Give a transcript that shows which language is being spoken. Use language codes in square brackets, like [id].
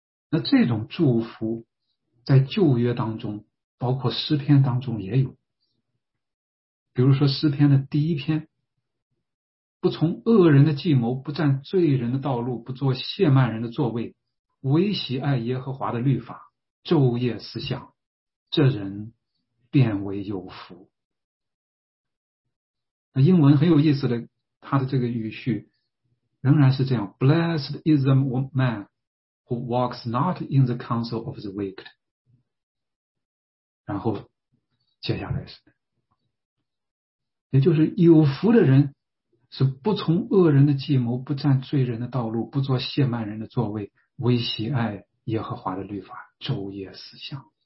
[zh] 那这种祝福在旧约当中包括诗篇当中也有，比如说诗篇的第一篇，不从恶人的计谋，不占罪人的道路，不做亵慢人的座位，唯喜爱耶和华的律法，昼夜思想，这人变为有福。那英文很有意思的，它的这个语序仍然是这样， [en] Blessed is the man who walks not in the counsel of the wicked。 [zh] 然后接下来是，也就是有福的人是不从恶人的计谋，不占罪人的道路，不做亵慢人的座位，唯喜爱耶和华的律法，昼夜思想。